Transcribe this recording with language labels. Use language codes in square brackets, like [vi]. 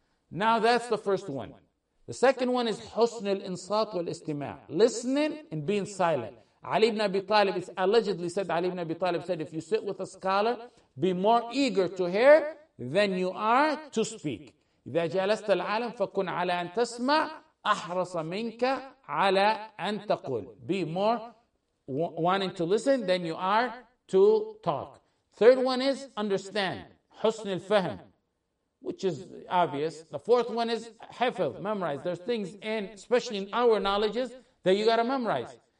[en] Now that's the first one. The second one is Husn al-Insat wal-Istima', listening and being silent. Ali ibn Abi Talib, it's allegedly said, Ali ibn Abi Talib said, if you sit with a scholar, be more eager to hear than you are to speak. [ar] إذا جلست العالم فكن على أن تسمع أحرص منك على أن تقول. [en] Be more wanting to listen than you are to talk. Third one is understand. [ar] حسن الفهم. [en] which is obvious. The fourth one is hafiz, memorize. There's things in, especially in our knowledges, that you got to memorize.